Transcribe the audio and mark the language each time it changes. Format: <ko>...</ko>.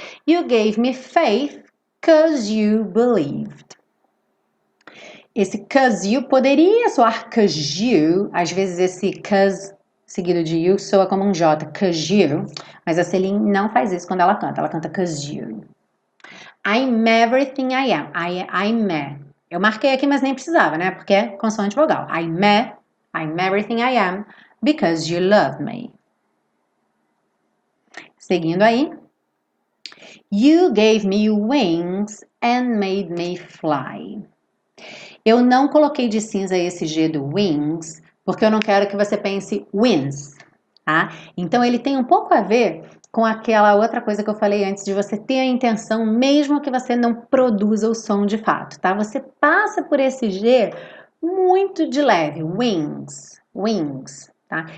<en>You gave me faith 'cause you believed.</en> <pt>Esse</pt> <en>'cause you</en> <pt>poderia soar</pt> <en>'cause you.</en> <pt>Às vezes esse 'cause seguido de you soa como um J, 'cause you. Mas a Celine não faz isso quando ela canta 'cause you.</pt> <en>I'm everything I am. I'm.</en> <pt>Eu marquei aqui, mas nem precisava, né? Porque é consoante vogal.</pt> <en>I'm everything I am because you love me.</en> <pt>Seguindo aí.</pt> <en>You gave me wings and made me fly.</en> <pt>Eu não coloquei de cinza esse G do wings, porque eu não quero que você pense wins, tá? Então ele tem um pouco a ver com aquela outra coisa que eu falei antes de você ter a intenção, mesmo que você não produza o som de fato, tá? Você passa por esse G muito de leve, wings, wings, tá?</pt>